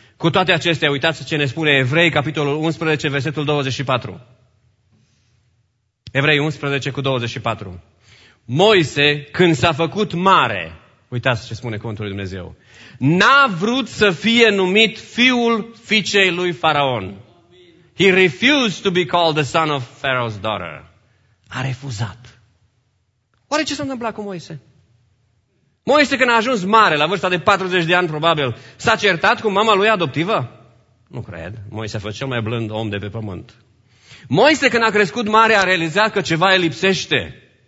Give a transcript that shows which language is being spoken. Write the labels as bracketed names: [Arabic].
[Romanian] Cu toate acestea, uitați ce ne spune Evrei, capitolul 11, versetul 24. Evrei 11 cu 24. Moise, când s-a făcut mare, uitați ce spune cuvântul lui Dumnezeu, n-a vrut să fie numit fiul fiicei lui Faraon. [English] He refused to be called the son of Pharaoh's daughter. [Romanian] A refuzat. Oare ce s-a întâmplat cu Moise? Moise, când a ajuns mare, la vârsta de 40 de ani probabil, s-a certat cu mama lui adoptivă? Nu cred. Moise a fost cel mai blând om de pe pământ. Moise, când a crescut mare, a realizat că ceva îi lipsește.